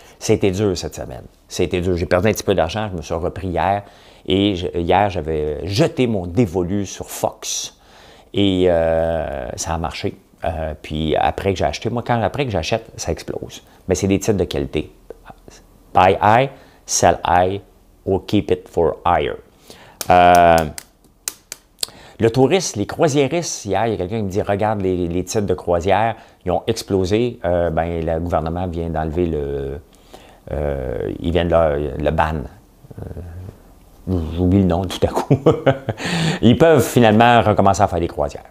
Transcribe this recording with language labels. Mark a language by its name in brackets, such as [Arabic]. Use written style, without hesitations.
[French] C'était dur cette semaine. C'était dur. J'ai perdu un petit peu d'argent, je me suis repris hier. Et hier, j'avais jeté mon dévolu sur Fox. Et ça a marché. Puis après que j'ai acheté, moi, quand après que j'achète, ça explose. Mais c'est des titres de qualité. [English] Buy high, sell high, or keep it for higher. [French] Le touriste, les croisiéristes, hier, il y a quelqu'un qui me dit, regarde les titres de croisière, ils ont explosé. Ben, le gouvernement vient d'enlever le... ils viennent le ban. J'oublie le nom tout à coup. Ils peuvent finalement recommencer à faire des croisières.